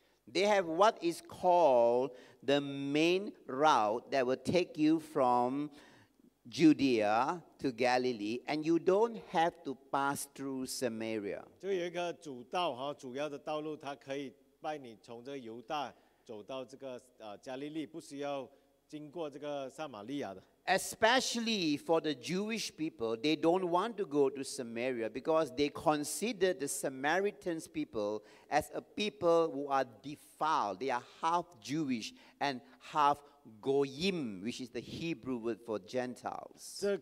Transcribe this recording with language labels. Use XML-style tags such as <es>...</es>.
<en>they have what is called the main route that will take you from Judea to Galilee, and you don't have to pass through Samaria.</en> <zh>就有一个主道和主要的道路，他可以带你从这个犹大走到这个加利利，不需要经过这个撒玛利亚的。</zh> <en>Especially for the Jewish people, they don't want to go to Samaria because they consider the Samaritans people as a people who are defiled. They are half Jewish and half Goyim, which is the Hebrew word for Gentiles.</en>